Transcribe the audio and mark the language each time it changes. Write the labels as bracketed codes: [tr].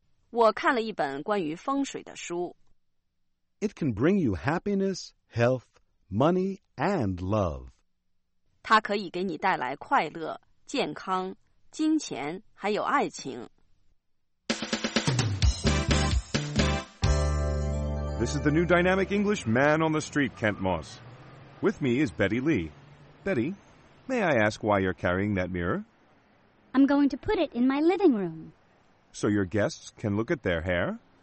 [zh] 我看了一本关于风水的书。 [en] It can bring you happiness, health, money, and love. [zh] 它可以给你带来快乐、健康、金钱，还有爱情。 [en] This is the new dynamic English man on the street, Kent Moss. With me is Betty Lee. Betty, may I ask why you're carrying that mirror? I'm going to put it in my living room. So your guests can look at their hair?